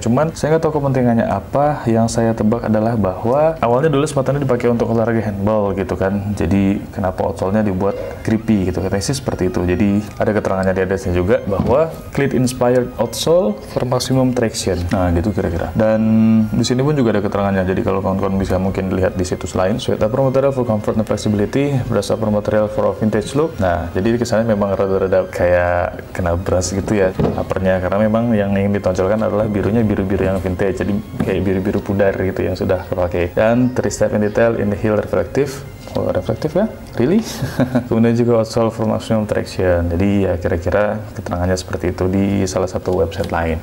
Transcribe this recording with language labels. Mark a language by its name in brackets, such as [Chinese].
[Indonesian] Cuman saya nggak tahu kepentingannya apa. Yang saya tebak adalah bahwa awalnya dulu sepatunya dipakai untuk olahraga handball gitu kan. Jadi kenapa outsole-nya dibuat grippy gitu. Katanya sih seperti itu. Jadi ada keterangannya di Adidas-nya juga bahwa [English] cleat inspired outsole for maximum traction. [Indonesian] Nah gitu kira-kira. Dan di sini pun juga ada keterangannya. Jadi kalau kawan-kawan bisa mungkin lihat di situs lain. [English] Suede upper material for comfort and flexibility. Brass upper material for vintage look. [Indonesian] Nah, jadi kesannya memang rada-rada kayak kena brass gitu ya uppernya, karena memang yang ingin ditonjolkan adalah birunya, biru-biru yang vintage, jadi kayak biru-biru pudar gitu yang sudah terpakai. [English] Dan 3 step in detail in the heel reflective. Oh, reflective ya? Really? [Indonesian] Kemudian juga [English] outsole for maximum traction. [Indonesian] Jadi ya kira-kira keterangannya seperti itu di salah satu website lain.